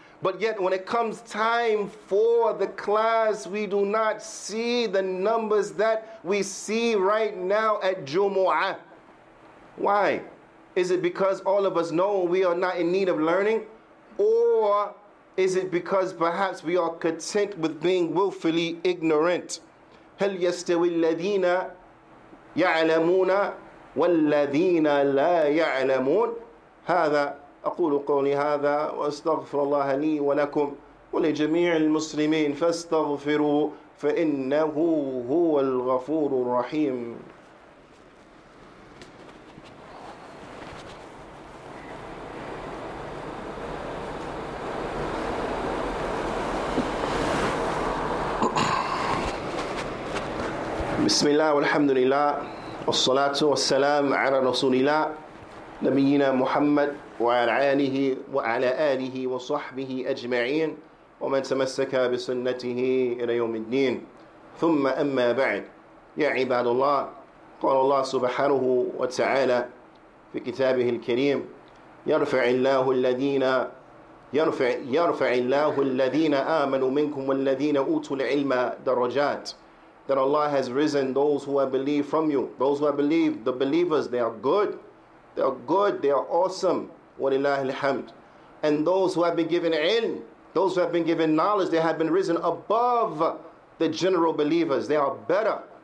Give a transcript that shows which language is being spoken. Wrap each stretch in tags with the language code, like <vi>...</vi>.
<en>But yet when it comes time for the class, we do not see the numbers that we see right now at Jumu'ah. Why? Is it because all of us know we are not in need of learning? Or is it because perhaps we are content with being willfully ignorant?</en> <ar>هَلْ يَسْتَوِي الَّذِينَ يَعْلَمُونَ وَالَّذِينَ لَا يَعْلَمُونَ هَذَا أقول قولي هذا وأستغفر الله لي ولكم ولجميع المسلمين فاستغفروا فإنه هو الغفور الرحيم. بسم الله والحمد لله والصلاة والسلام على رسول الله نبينا محمد وعلى آله وعلى آله وصحبه أجمعين ومن تمسك بسنته إلى يوم الدين ثم أما بعد يا عباد الله قال الله سبحانه وتعالى في كتابه الكريم يرفع الله الذين آمنوا منكم والذين أوتوا العلم درجات.</ar> <en>That Allah has risen those who have believed from you, those who have believed, the believers, they are good. They are good, they are awesome.</en> <ar>وَلِلَّهِ الْحَمْدِ.</ar> <en>And those who have been given ilm, those who have been given knowledge, they have been risen above the general believers. They are better.</en>